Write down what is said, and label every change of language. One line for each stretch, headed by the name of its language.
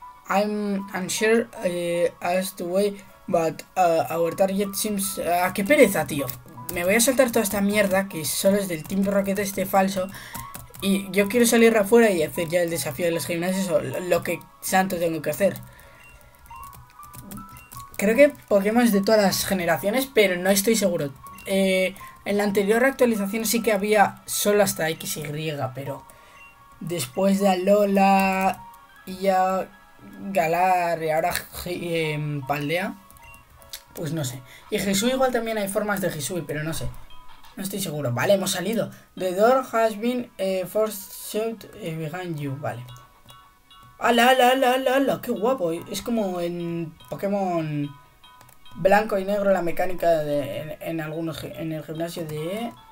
English: I'm unsure as to why, but our target seems.
Spanish: ¡Ah, qué pereza, tío! Me voy a saltar toda esta mierda que solo es del Team Rocket este falso. Y yo quiero salir afuera y hacer ya el desafío de los gimnasios o lo que santo tengo que hacer. Creo que Pokémon es de todas las generaciones, pero no estoy seguro. En la anterior actualización sí que había solo hasta X y Y, pero después de Alola y a Galar y ahora Paldea. Pues no sé. Y Hisui igual también hay formas de Hisui, pero no sé. No estoy seguro. Vale, hemos salido.
English: The door has been forced shut behind you.
Spanish: Vale. ¡Ala, ala, ala, ala, ala! ¡Qué guapo! Es como en Pokémon Blanco y Negro la mecánica en algunos en el gimnasio de.